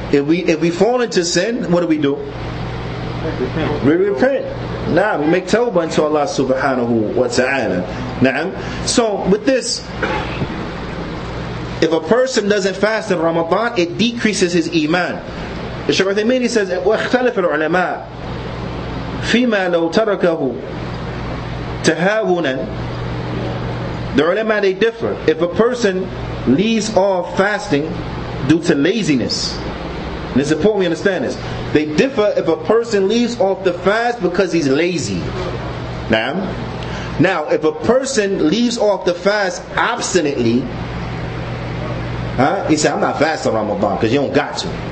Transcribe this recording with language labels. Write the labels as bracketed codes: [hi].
[en] If we fall into sin, what do? We repent. Now we make tawbah unto Allah [ar] subhanahu wa ta'ala. [en] Na'am. So with this, if a person doesn't fast in Ramadan, it decreases his iman. Shaykh Uthaymeen says, [ar] واختلف العلماء فيما لو تركه تهاونا. [en] The ulama, they differ. If a person leaves off fasting due to laziness, and it's important we understand this, they differ if a person leaves off the fast because he's lazy. Na'am. Now, if a person leaves off the fast obstinately, he said, I'm not fasting Ramadan because you don't got to.